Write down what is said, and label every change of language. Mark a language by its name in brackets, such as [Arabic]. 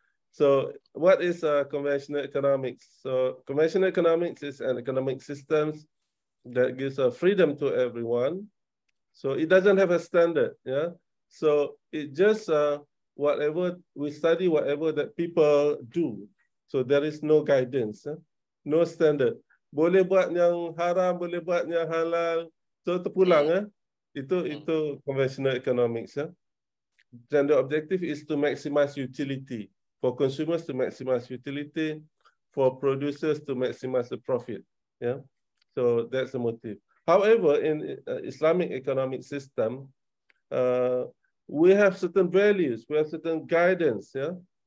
[English] So what is conventional economics? So conventional economics is an economic system that gives a freedom to everyone. So it doesn't have a standard, yeah. So it just whatever we study, whatever that people do. So there is no guidance, eh? No standard. [Malay] Boleh buat yang haram, boleh buat yang halal. So terpulang, eh? Itu conventional economics, eh? [English] Then the objective is to maximize utility for consumers, to maximize utility for producers, to maximize the profit. Yeah. So that's the motive. However, in Islamic economic system, we have certain values, we have certain guidance, yeah.